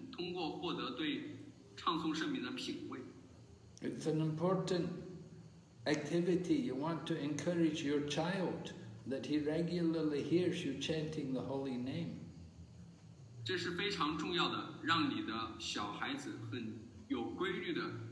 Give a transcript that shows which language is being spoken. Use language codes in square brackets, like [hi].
[zh] 通过唱诵主的圣名，通过获得对唱诵圣名的品味。 [en] It's an important activity. You want to encourage your child that he regularly hears you chanting the holy name. [zh] 这是非常重要的，让你的小孩子很有规律的。